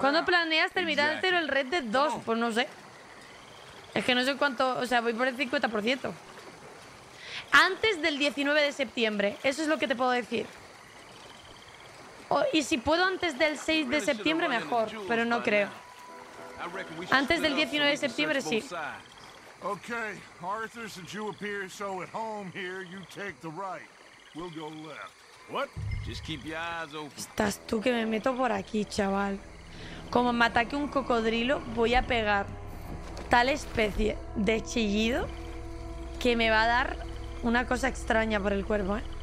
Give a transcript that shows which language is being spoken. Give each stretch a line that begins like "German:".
Spanish: ¿Cuándo planeas terminar exactly. El Red Dead 2? Pues no sé. Es que no sé cuánto... O sea, voy por el 50%. Antes del 19 de septiembre. Eso es lo que te puedo decir. Y si puedo antes del 6 de septiembre, mejor, pero no creo. Antes del 19 de septiembre, sí.
English: Okay, Arthur, since you appear so at home here, you take the right. We'll go left. What? Just keep your eyes open.
Spanish: Estás tú que me meto por aquí, chaval. Como me ataque un cocodrilo, voy a pegar tal especie de chillido que me va a dar una cosa extraña por el cuerpo, ¿eh?